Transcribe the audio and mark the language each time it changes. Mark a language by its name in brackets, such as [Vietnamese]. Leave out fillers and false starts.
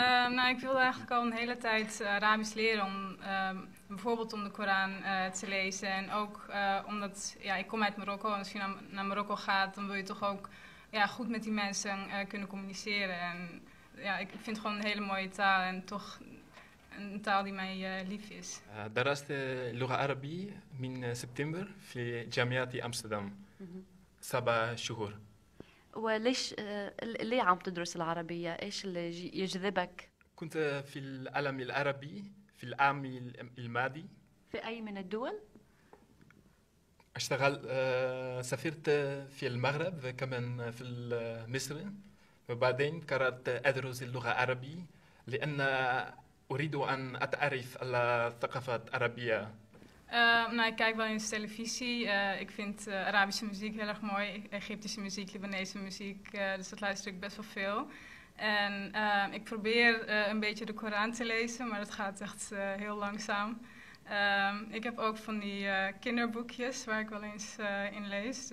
[Dutch] Nou, ik wilde eigenlijk al een hele tijd Arabisch leren om bijvoorbeeld om de Koran te lezen. En ook omdat ik kom uit Marokko. En als je naar Marokko gaat, dan wil je toch ook goed met die mensen kunnen communiceren. En ik vind het gewoon een hele mooie taal en toch een taal die mij lief is. [Arabic] درست لغة عربي من سبتمبر في جامعة أمستردام 7 شهور. وليش ليه عم تدرس العربية؟ إيش اللي يجذبك؟ كنت في العالم العربي في العام الماضي. في أي من الدول؟ أشتغل سافرت في المغرب وكمان في مصر، وبعدين قررت أدرس اللغة العربية لأن أريد أن أتعرف على الثقافة العربية. [Dutch] Ik kijk wel eens televisie. Ik vind Arabische muziek heel erg mooi, Egyptische muziek, Libanese muziek. Dus dat luister ik best wel veel. En ik probeer een beetje de Koran te lezen, maar dat gaat echt heel langzaam. Ik heb ook van die kinderboekjes waar ik wel eens in lees.